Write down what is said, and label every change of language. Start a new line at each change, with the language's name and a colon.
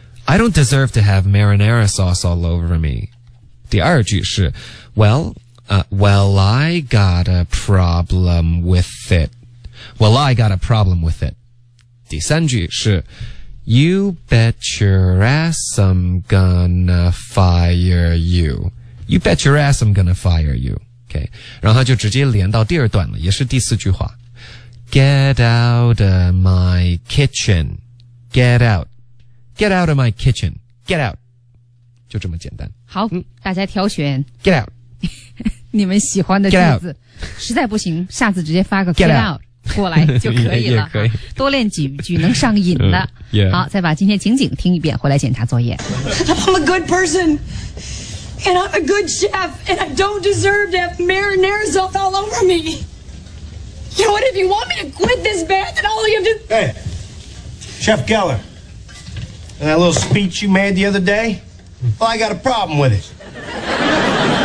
English: I don't deserve to have marinara sauce all over me.
Chinese: 第二句是
English: well, I got a problem with it. Well, I got a problem with it.
Chinese: 第三句是
English: You bet your ass I'm gonna fire you. You bet your ass I'm gonna fire you. Okay.
Chinese: 然后就直接连到第二段了，也是第四句话。
English: Get out of my kitchen. Get out. Get out of my kitchen. Get out.
Chinese: 就这么简单。好、嗯、大家挑选
English: Get out
Chinese: 你们喜欢的句子
English: Get out.
Chinese: 实在不行下次直接发个
English: Get out
Chinese: 过来就可以了。也可以多练几句能上瘾的、 yeah. 好，再把今天情景听一遍回来检查作业。
English: I'm a good person and I'm a good chef and I don't deserve to have marinara sauce all over me. You know what, if you want me to quit this band then all you have to Hey, Chef Geller, that little speech you made the other dayWell, I got a problem with it.